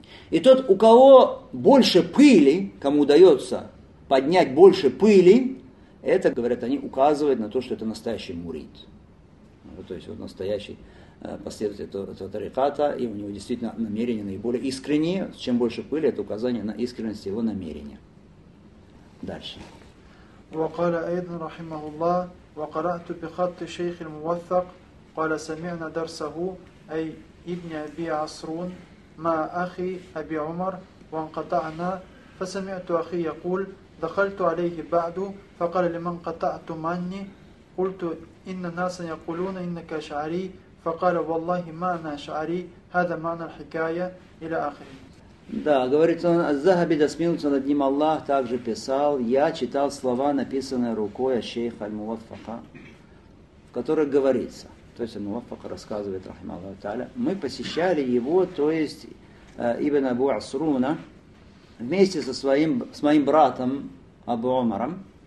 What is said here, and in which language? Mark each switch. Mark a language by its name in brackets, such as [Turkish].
[Russian] И тот, у кого больше пыли, кому удается поднять больше пыли, это, говорят они, указывает на то, что это настоящий мурид. Вот, то есть вот настоящий последователь этого тариката, и у него действительно намерения наиболее искренние. Чем больше пыли, это указание на искренность его намерения. Дальше. [Arabic] وَقَالَ أَيْضًا رَحِمَهُ اللَّهِ وَقَرَأْتُ بِخَطِّ شَيْخِ الْمُوَثَّقِ قَالَ سَمِعْنَا دَرْسَهُ أَيْ إِبْنِ أَبِي عَصْرُونَ مَا أَخِي أَبِي عُمَرَ وَانْقَطَعْنَا فَسَمِعْتُ أَخِي يَقُولُ دخلت عليه بعد فقال لمن قطعت مني قلت إن الناس يقولون إنك شعري فقال والله ما أنا شعري هذا معنى الحكاية إلى آخره. [Russian] Да, говорит он, الذهبي да смилуется над ним Аллах, также писал, я читал слова, написанные рукой шейха Аль-Муваффака, в которых говорится, то есть Аль-Муваффака рассказывает, рахима Аллаху Та'аля, мы посещали его, то есть Ибн Абу Асруна, вместе со своим, с моим братом Абу Умаром.